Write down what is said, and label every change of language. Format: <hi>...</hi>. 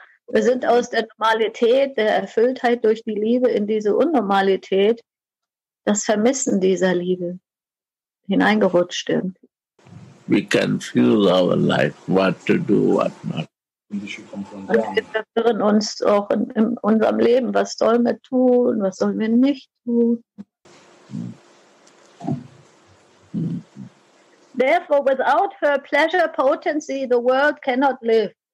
<de>Wir sind aus der Normalität, der Erfülltheit durch die Liebe in diese Unnormalität, das Vermissen dieser Liebe, hineingerutscht.</de> <en>We confuse our life, what to do, what not.</en> <de>Und wir verwirren uns auch in unserem Leben, was sollen wir tun, was sollen wir nicht tun.</de> <en>Therefore, without her pleasure potency, the world cannot live.</en>